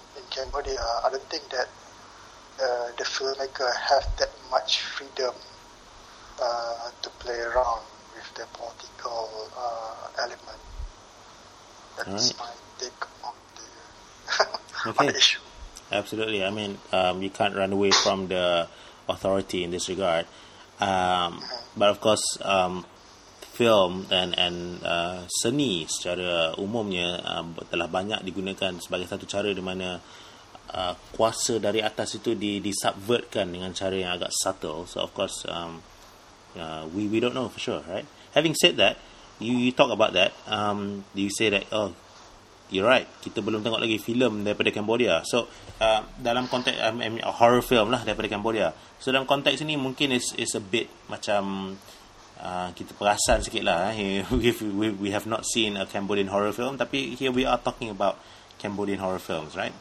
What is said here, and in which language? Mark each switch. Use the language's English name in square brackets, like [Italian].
[English] Cambodia, I don't think that the filmmaker have that much freedom to play around with the political element. That's right. My take on the, on the issue. Absolutely. I mean, you can't run away from the authority in this regard. But of course, film and [Malay] seni secara umumnya telah banyak digunakan sebagai satu cara di mana kuasa dari atas itu disubvertkan dengan cara yang agak subtle. [English] So of course we don't know for sure, right? Having said that, you talk about that, you say that, oh, you're right, [Malay] kita belum tengok lagi filem daripada Cambodia. [English] So dalam konteks a horror film lah daripada Cambodia, so [Malay] dalam konteks ini mungkin [English] it's a bit [Malay] macam kita perasan sikit lah [English] we have not seen a Cambodian horror film, tapi here we are talking about Cambodian horror films, right?